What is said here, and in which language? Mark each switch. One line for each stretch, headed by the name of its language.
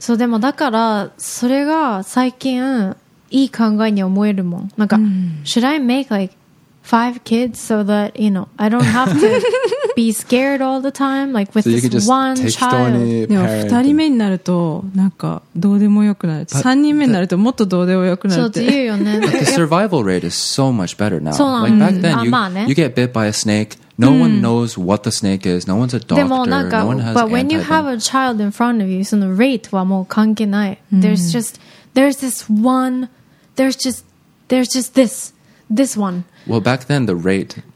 Japanese: So, でもだからそれが最近いい考えに思えるもん。なんか、mm.
English: should I make like 5 kids so that you know I don't have to be scared all the time like with、 so、 this just one child?
Japanese: でも2人目になるとなんかどうでもよくなる。 3人目になるともっとどうでもよくなるって。そう、言うよね。
English: But the survival rate is so much better now.
Japanese: そうなん、
English: like back then, you,、まあね、you get bit by a snake. No、うん、one knows what the snake is. No one's a doctor.
Japanese: でもなんか、
English: no、one has but when you have a child in front of you,
Japanese: その rate はもう関係ない。
English: うん、There's just this one. Well, back then the rate...